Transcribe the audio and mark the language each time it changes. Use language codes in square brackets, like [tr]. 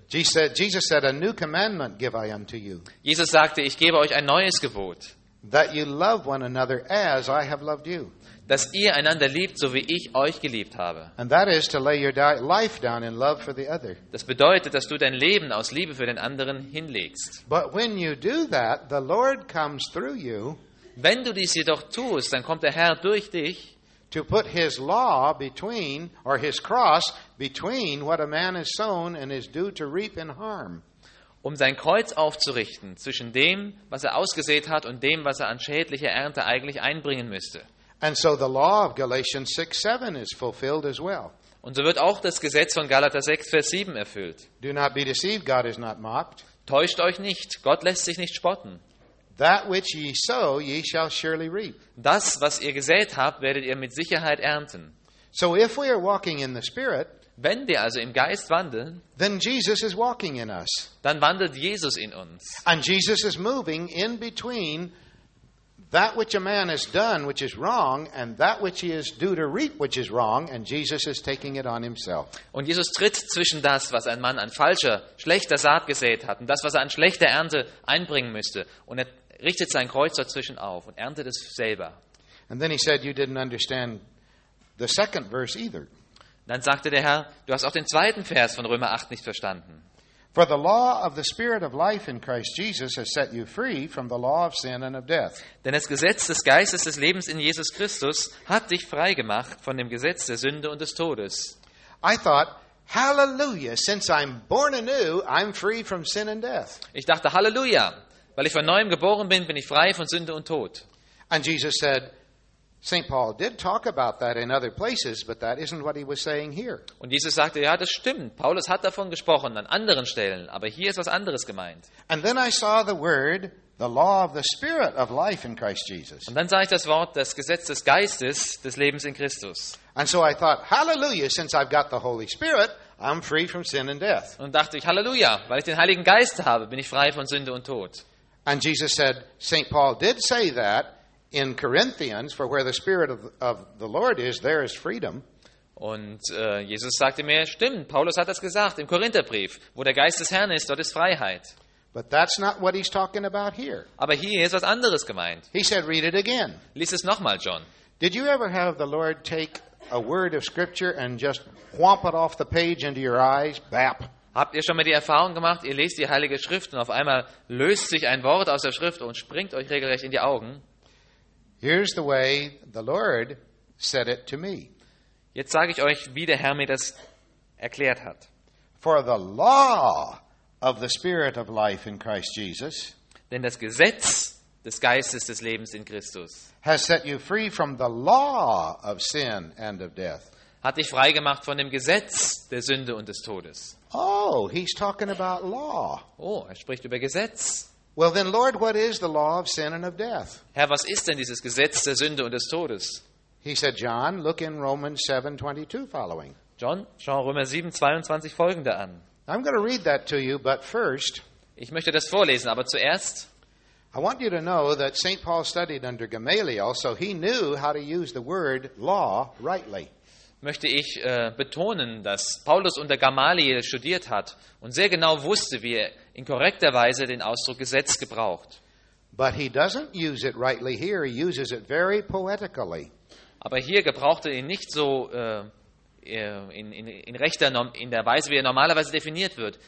[en] Jesus said, a new commandment give I unto you. [de] Jesus sagte, ich gebe euch ein neues Gebot. [en] That you love one another as I have loved you. [de] Dass ihr einander liebt, so wie ich euch geliebt habe. [en] And that is to lay your life down in love for the other. [de] Das bedeutet, dass du dein Leben aus Liebe für den anderen hinlegst. [en] But when you do that, the Lord comes through you. [de] Wenn du dies jedoch tust, dann kommt der Herr durch dich. [en] To put his law between, or his cross between, what a man has sown and is due to reap in harm. [de] Um sein Kreuz aufzurichten zwischen dem, was er ausgesät hat, und dem, was er an schädlicher Ernte eigentlich einbringen müsste. [en] And so the law of Galatians 6:7 is fulfilled as well. [de] Und so wird auch das Gesetz von Galater 6, Vers 7 erfüllt. [en] Do not be deceived, God is not mocked. [de] Täuscht euch nicht, Gott lässt sich nicht spotten. [en] That which ye sow, ye shall surely reap. [de] Das, was ihr gesät habt, werdet ihr mit Sicherheit ernten. [en] So if we are walking in the Spirit, [de] wenn wir also im Geist wandeln, [en] then Jesus is walking in us. [de] Dann wandelt Jesus in uns. [en] And Jesus is moving in between that which a man has done, which is wrong, and that which he is due to reap, which is wrong, and Jesus is taking it on himself. [de] Und Jesus tritt zwischen das, was ein Mann an falscher, schlechter Saat gesät hat, und das, was er an schlechter Ernte einbringen müsste, und er richtet sein Kreuz dazwischen auf und erntet es selber. [en] And then he said, you didn't understand the second verse either. [de] Dann sagte der Herr, du hast auch den zweiten Vers von Römer 8 nicht verstanden. [en] For the law of the Spirit of life in Christ Jesus has set you free from the law of sin and of death. [de] Denn das Gesetz des Geistes des Lebens in Jesus Christus hat dich frei gemacht von dem Gesetz der Sünde und des Todes. [en] I thought, hallelujah, since I'm born anew, I'm free from sin and death. [de] Ich dachte, hallelujah, weil ich von neuem geboren bin, bin ich frei von Sünde und Tod. [en] And Jesus said, St. Paul did talk about that in other places, but that isn't what he was saying here. [de] Und Jesus sagte, ja, das stimmt. Paulus hat davon gesprochen an anderen Stellen, aber hier ist was anderes gemeint. [en] And then I saw the word, the law of the Spirit of life in Christ Jesus. [de] Und dann sah ich das Wort, das Gesetz des Geistes des Lebens in Christus. [en] And so I thought, hallelujah, since I've got the Holy Spirit, I'm free from sin and death. [de] Und dachte ich, hallelujah, weil ich den Heiligen Geist habe, bin ich frei von Sünde und Tod. [en] And Jesus said, St. Paul did say that in Corinthians, for where the Spirit of the Lord is, there is freedom. [de] Und Jesus sagte mir, stimmt, Paulus hat das gesagt im Korintherbrief, wo der Geist des Herrn ist, dort ist Freiheit. [en] But that's not what he's talking about here. [de] Aber hier ist was anderes gemeint. [en] He said, read it again. [de] Lies es nochmal, John. [en] Did you ever have the Lord take a word of Scripture and just whomp it off the page into your eyes, bap? [de] Habt ihr schon mal die Erfahrung gemacht, ihr lest die Heilige Schrift und auf einmal löst sich ein Wort aus der Schrift und springt euch regelrecht in die Augen? [en] Here's the way the Lord said it to me. [de] Jetzt sage ich euch, wie der Herr mir das erklärt hat. [en] For the law of the Spirit of life in Christ Jesus. [de] Denn das Gesetz des Geistes des Lebens in Christus. [en] Has set you free from the law of sin and of death. [de] Hat dich frei gemacht von dem Gesetz der Sünde und des Todes. [en] Oh, he's talking about law. [de] Oh, er spricht über Gesetz. [en] Well then, Lord, what is the law of sin and of death? [de] Herr, was ist denn dieses Gesetz der Sünde und des Todes? [en] He said, John, look in Romans 7:22 following. [de] John, schau Römer 7:22 folgende an. [en] I'm going to read that to you, but first. [de] Ich möchte das vorlesen, aber zuerst. [en] I want you to know that St. Paul studied under Gamaliel, so he knew how to use the word law rightly. [de] möchte ich betonen, dass Paulus unter Gamaliel studiert hat und sehr genau wusste, wie er in korrekter Weise den Ausdruck Gesetz gebraucht. [en] But he doesn't use it rightly here, he uses it very poetically. [de] Aber hier gebrauchte er ihn nicht so in der Weise, wie er normalerweise definiert wird.